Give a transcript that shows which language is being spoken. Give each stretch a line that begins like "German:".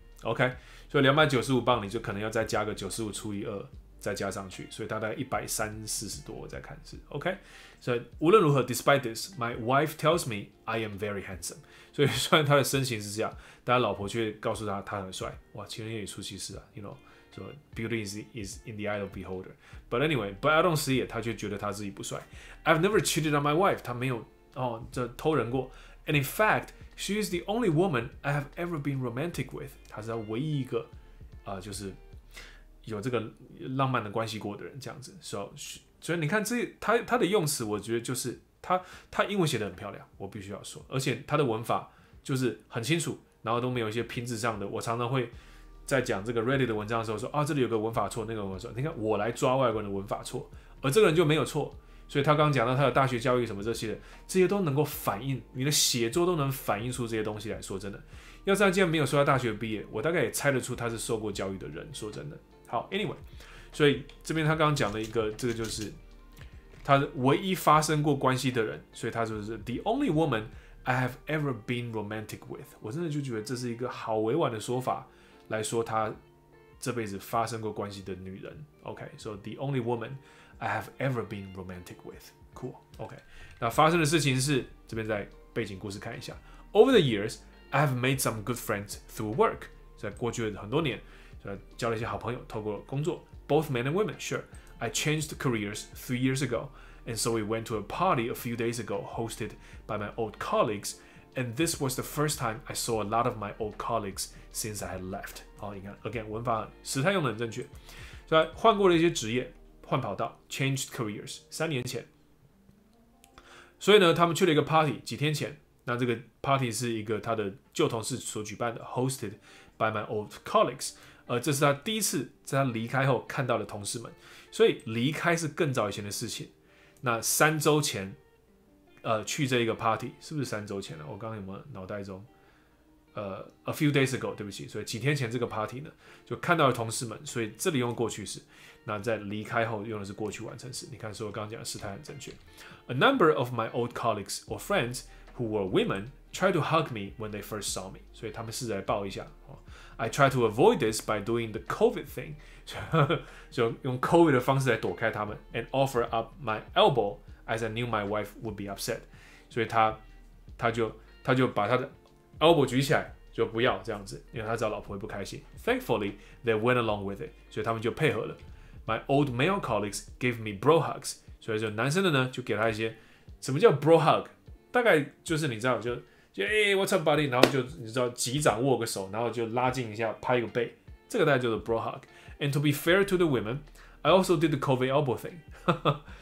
Chinese: OK， 所以295磅你就可能要再加个95除以2再加上去，所以大概130-140多。我再看是 OK。所以无论如何
English: ，despite this， my wife tells me I am very handsome。
Chinese: 所以虽然他的身形是这样，但他老婆却告诉他很帅。哇，情人眼里出西施啊 ，
English: you know。 So, beauty is in the eye of beholder. But anyway, but I don't see it.
Chinese: 他却觉得他自己不帅。
English: I've never cheated on my wife.
Chinese: 他没有这偷人过。
English: And in fact, she is the only woman I have ever been romantic with.
Chinese: 他是他唯一一个就是有这个浪漫的关系过的人这样子。所以你看他的用词，我觉得就是他英文写得很漂亮，我必须要说。而且他的文法就是很清楚，然后都没有一些拼字上的。我常常会在讲这个 Reddit 的文章的时候说这里有个文法错，那个文法错，你看我来抓外国人的文法错，而这个人就没有错。所以他刚刚讲到他的大学教育什么这些的，这些都能够反映你的写作都能反映出这些东西来说真的。要是他既然没有说他大学毕业，我大概也猜得出他是受过教育的人，说真的。好 ，Anyway， 所以这边他刚刚讲的一个，这个就是他唯一发生过关系的人，所以他就是
English: the only woman I have ever been romantic with。
Chinese: 我真的就觉得这是一个好委婉的说法来说他这辈子发生过关系的女人。
English: OK， so the only woman I have ever been romantic with， cool。
Chinese: OK， 那发生的事情是这边在背景故事看一下。
English: Over the years, I have made some good friends through work。
Chinese: 在过去的很多年，交了一些好朋友，透过工作
English: ，both men and women, sure. I changed careers 3 years ago, and so we went to a party a few days ago hosted by my old colleagues, and this was the first time I saw a lot of my old colleagues since I had left.
Chinese: 好，你看 ，again， 文法时态用的很正确。所以换过了一些职业，换跑道 ，
English: changed careers
Chinese: 3年前。所以呢，他们去了一个 party， 几天前。那这个 party 是一个他的旧同事所举办的 ，
English: hosted by my old colleagues。
Chinese: 这是他第一次在他离开后看到的同事们，所以离开是更早以前的事情。那3周前，去这一个 party 是不是3周前了？我刚刚有没有脑袋中？
English: a few days ago，
Chinese: 对不起，所以几天前这个 party 呢，就看到了同事们，所以这里用过去式。那在离开后用的是过去完成式。你看，所以我刚刚讲的时态很正确。
English: A number of my old colleagues or friends who were women tried to hug me when they first saw me，
Chinese: 所以他们试着来抱一下。
English: I try to avoid this by doing the COVID thing，
Chinese: 就用 COVID 的方式来躲开他们
English: ，and offer up my elbow as I knew my wife would be upset。
Chinese: 所以他就把他的 elbow 举起来，就不要这样子，因为他知道老婆会不开心。
English: Thankfully, they went along with it，
Chinese: 所以他们就配合了。
English: My old male colleagues gave me bro hugs，
Chinese: 所以就男生的呢就给他一些，什么叫 bro hug？大概就是你知道就哎、欸、，
English: What's up, buddy？
Chinese: 然后就你知道，击掌握个手，然后就拉近一下，拍一个背，这个大概就是 bro hug。
English: And to be fair to the women, I also did the COVID elbow thing.